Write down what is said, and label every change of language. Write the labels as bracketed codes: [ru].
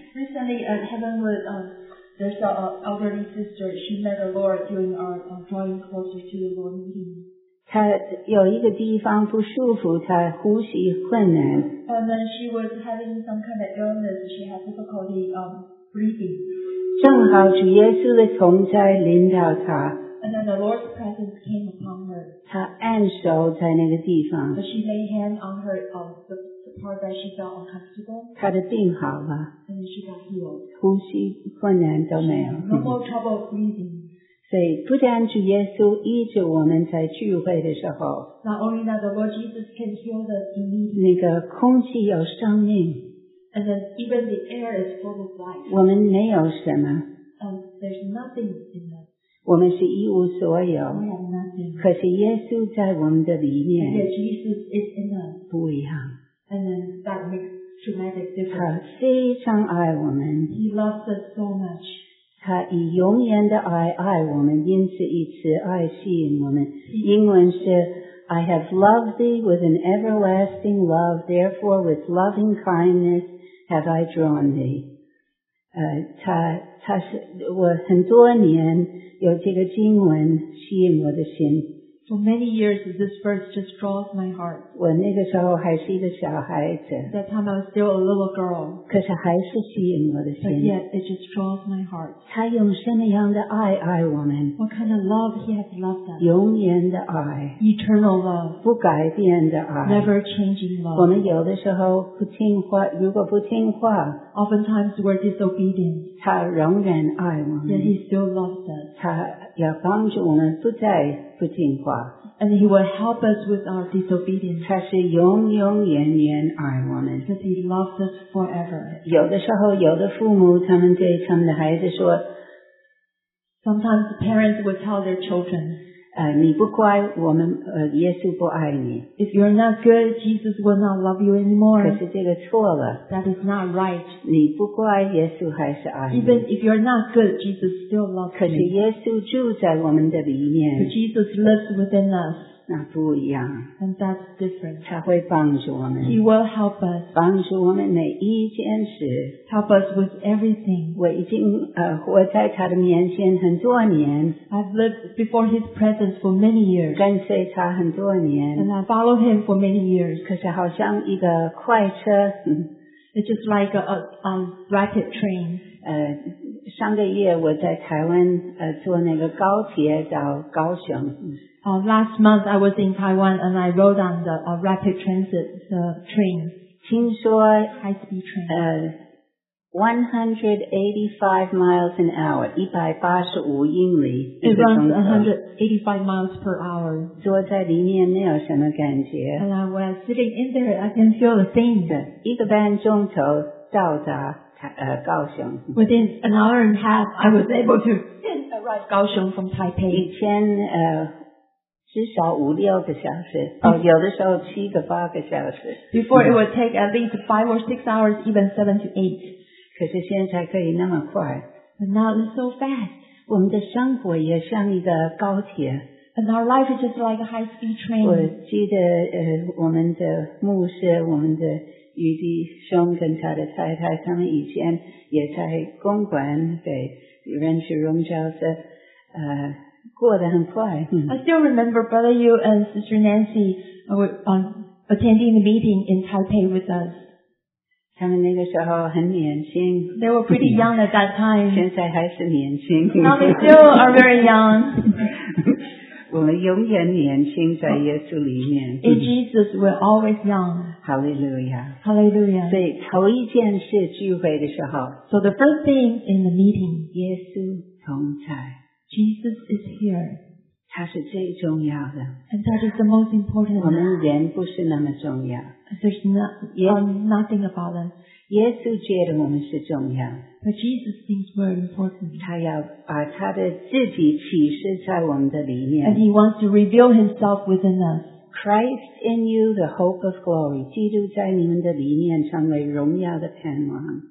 [en] Recently at Heavenwood, there's an elderly sister, she met the Lord during our drawing closer to the Lord meeting. [zh] 她有一个地方不舒服，她呼吸困难。 [en] And then she was having some kind of illness, she had difficulty breathing. [zh] 正好主耶稣的同在临到她。 [en] And then the Lord's presence came upon her. [zh] 她按手在那个地方。 [en] But she laid hand on her, the part that she felt uncomfortable. [zh] 她的病好了。 [en] And she got healed. [zh] 呼吸困难都没有。 [en] No more trouble breathing. [zh] 所以不但主耶稣医治我们在聚会的时候。 [en] Not only that, the Lord Jesus can heal the disease. [zh] 那个空气有生命。 [en] And then even the air is full of life. [zh] 我们没有什么。 [en] There's nothing in us. [zh] 我们是一无所有。 [en] We have nothing. [zh] 可是耶稣在我们的里面。 [en] Because Jesus is in us. [zh] 不一样。 [en] And then that makes [zh] 他非常爱我们。 [en] He loves us so much. [zh] 他以永远的爱爱我们，因此以慈爱吸引我们。英文是 [en] I have loved thee with an everlasting love, therefore with loving kindness have I drawn thee. [zh] 他是我很多年有这个经文吸引我的心。 [en] For many years, this verse just draws my heart. [zh] 我那个时候还是一个小孩子。 [en] That time I was still a little girl. [zh] 可是还是吸引我的心。 [en] But yet, it just draws my heart. [zh] 他用什么样的爱爱我们？ [en] What kind of love he has loved us? [zh] 永远的爱。 [en] Eternal love. [zh] 不改变的爱。 [en] Never changing love. [zh] 我们有的时候不听话，如果不听话。 [en] Oftentimes we're disobedient. [zh] 他仍然爱我们。 [en] Yet he still loves us. [zh] 他要帮助我们不再不听话。 [en] And he will help us with our disobedience. [zh] 他是永永远远爱我们。 [en] Because he loves us forever. [zh] 有的时候有的父母他们对他们的孩子说。 [en] Sometimes parents will tell their children. [zh] 你不乖我们耶稣不爱你。 [en] If you're not good, Jesus will not love you anymore. [zh] 可是这个错了。 [en] That is not right. [zh] 你不乖耶稣还是爱你。 [en] Even if you're not good, Jesus still loves you. [zh] 可是耶稣住在我们的里面。 [en] Jesus lives within us. [zh] 那不一样。 [en] And that's different. [zh] 他会帮助我们。 [en] He will help us. [zh] 帮助我们每一件事。 [en] Help us with everything. [zh] 我已经活在他的面前很多年。 [en] I've lived before his presence for many years. [zh] 跟随他很多年。 [en] And I follow him for many years. [zh] 可是好像一个快车。 [en] It's just like a rapid train. [zh] 上个月我在台湾坐那个高铁到高雄。 [en] Last month I was in Taiwan and I rode on the rapid transit train. [zh] 听说 [en] high speed train. 185 miles an hour, [zh] 185英里。 [en] It runs 185 miles per hour. [zh] 坐在里面没有什么感觉。 [en] And I was sitting in there, I can feel the same. [zh] 一个半钟头到达高雄。 [en] Within an hour and a half, I was able to arrive 高雄 from Taipei. [zh] 以前至少五六个小时，有的时候七个八个小时。 [en] Before it would take at least 5 or 6 hours, even 7 to 8. [zh] 可是现在可以那么快。 [en] But now it's so fast. [zh] 我们的生活也像一个高铁。 [en] And our life is just like a high-speed train. [zh] 我记得我们的牧师，我们的余弟兄跟他的太太，他们以前也在公馆给人去荣教的过得很快。 [en] I still remember Brother Yu and Sister Nancy were attending the meeting in Taipei with us. [zh] 他们那个时候很年轻。 [en] They were pretty young at that time. [zh] 现在还是年轻。 [en] Now they still are very young. [zh] 我们永远年轻在耶稣里面。 [en] In Jesus, we're always young. Hallelujah. Hallelujah. [zh] 所以头一件事聚会的时候。 [en] So the first thing in the meeting. [zh] 耶稣同在。 [en] Jesus is here. [zh] 他是最重要的。 [en] And that is the most important. [zh] 我们人不是那么重要。 [en] There's nothing about us. [zh] 耶稣觉得我们是重要。 [en] But Jesus thinks we're important. [zh] 他要把他的自己启示在我们的里面。 [en] And he wants to reveal himself within us. Christ in you, the hope of glory. [zh] 基督在你们的里面成为荣耀的盼望。